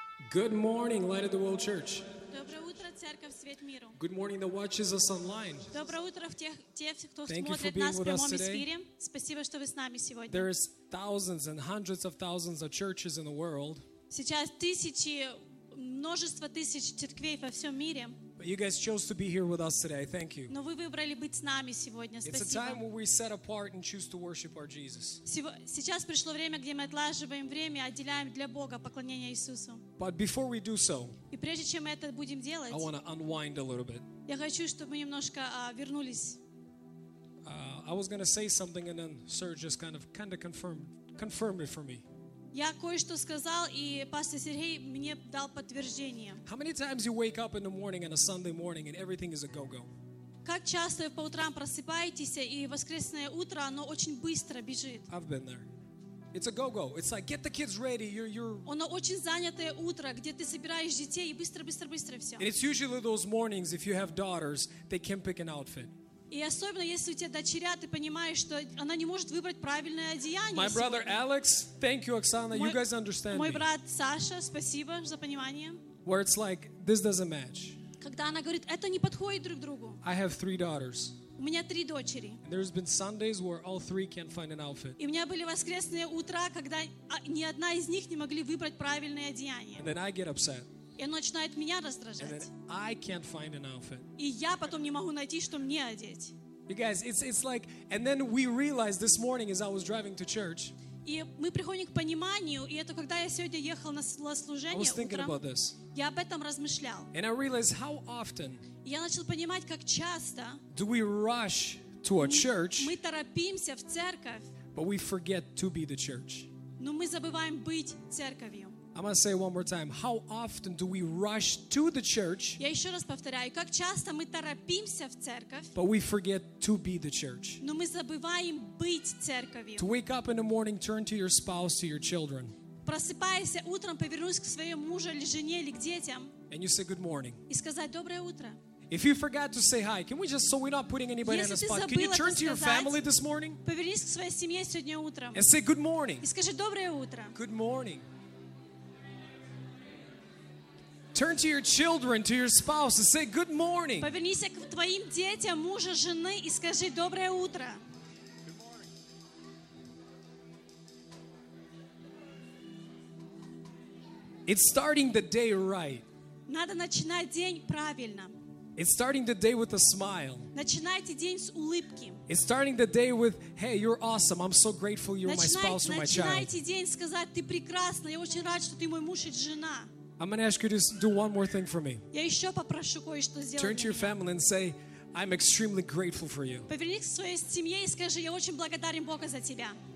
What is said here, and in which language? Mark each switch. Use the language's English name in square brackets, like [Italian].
[English] Good morning, Light of the World Church. [Russian] Доброе утро, Церковь Свет Миру. [English] Good morning, the watches us online. [Russian] Доброе утро в тех, кто смотрит нас в прямом эфире. Спасибо, что вы с нами сегодня. [English] There is thousands and hundreds of thousands of churches in the world. [Russian] Сейчас тысячи, множество тысяч церквей во всем мире. [English] But you guys chose to be here with us today. Thank you. [Russian] Но вы выбрали быть с нами сегодня. Спасибо. [English] It's a time where we set apart and choose to worship our Jesus. [Russian] Сейчас пришло время, где мы отлаживаем время, отделяем для Бога поклонение Иисусу. [English] But before we do so, [Russian] и прежде чем мы это будем делать, [English] I want to unwind a little bit. [Russian] Я хочу, чтобы мы немножко вернулись. [English] I was going to say something, and then Serge just kind of confirmed it for me. [Russian] Я кое-что сказал, и пастор Сергей мне дал подтверждение. [English] How many times you wake up in the morning on a Sunday morning and everything is a go-go? [Russian] Как часто вы по утрам просыпаетесь, и воскресное утро, оно очень быстро бежит. [English] I've been there. It's a go-go. It's like, get the kids ready. [Russian] Оно очень занятое утро, где ты собираешь детей, и быстро все. [English] And it's usually those mornings, if you have daughters, they can pick an outfit. [Russian] И особенно если у тебя дочеря, ты понимаешь, что она не может выбрать правильное одеяние. [English] My brother Alex, thank you, Оксана, you guys understand me. [Russian] Мой брат Саша, спасибо за понимание. [English] Where it's like, this doesn't match. [Russian] Когда она говорит, это не подходит друг другу. [English] I have three daughters. [Russian] У меня три дочери. [English] And there's been Sundays where all three can't find an outfit. [Russian] И у меня были воскресные утра, когда ни одна из них не могли выбрать правильное одеяние. [English] And then I get upset. [Russian] И оно начинает меня раздражать. [English] I can't find an outfit. [Russian] И я потом не могу найти, что мне одеть. [English] You guys, it's like, and then we realized this morning as I was driving to church. [Russian] И мы приходим к пониманию, и это когда я сегодня ехал на служение утром. [English] I was thinking about this. [Russian] Я об этом размышлял. [English] And I realized how often. [Russian] Я начал понимать, как часто. [English] Do we rush to a church? [Russian] Мы торопимся в церковь. [English] But we forget to be the church. [Russian] Но мы забываем быть церковью. [English] I'm going to say it one more time. How often do we rush to the church? [Russian] Я еще раз повторяю, как часто мы торопимся в церковь? [English] But we forget to be the church. [Russian] Но мы забываем быть церковью. [English] To wake up in the morning, turn to your spouse, to your children. [Russian] Просыпаясь утром, повернусь к своему мужу или жене или к детям. [English] And you say good morning. [Russian] И сказать доброе утро. [English] If you forgot to say hi, can we just, so we're not putting anybody on the spot, can you turn to your family this morning? [Russian] Повернись к своей семье сегодня утром. [English] And say good morning. [Russian] И скажи доброе утро. [English] Good morning. Turn to your children, to your spouse, and say good morning. [Russian] Повернись к твоим детям, мужу, жене и скажи доброе утро. [English] It's starting the day right. [Russian] Надо начинать день правильно. [English] It's starting the day with a smile. [Russian] Начинайте день с улыбки. [English] It's starting the day with, hey, you're awesome. I'm so grateful you're my spouse or my child. [Russian] Начинайте день сказать, ты прекрасна. Я очень рад, что ты мой муж и жена. [English] I'm going to ask you to do one more thing for me. [Russian] Я еще попрошу кое-что сделать. [English] Turn to your family and say, I'm extremely grateful for you. [Russian] Повернись к своей семье и скажи, я очень благодарен Богу за тебя.